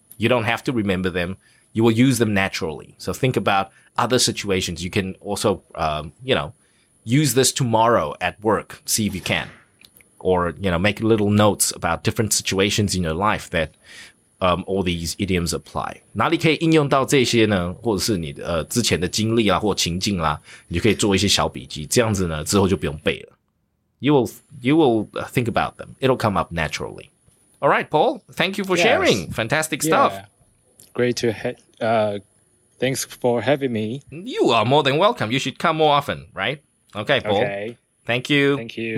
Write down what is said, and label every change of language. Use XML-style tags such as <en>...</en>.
<en>You don't have to remember them. You will use them naturally. So think about other situations. You can also, you know, use this tomorrow at work. See if you can. Or, you know, make little notes about different situations in your life that... all these idioms apply.</en> <zh>哪里可以应用到这些呢？或者是你之前的经历啦，或情境啦，你就可以做一些小笔记。这样子呢，之后就不用背了。</zh> <en>You will think about them. It'll come up naturally. All right, Paul. Thank you for sharing. Fantastic stuff. Great to Thanks for having me. You are more than welcome. You should come more often, right? Okay, Paul. Okay. Thank you. Thank you.</en>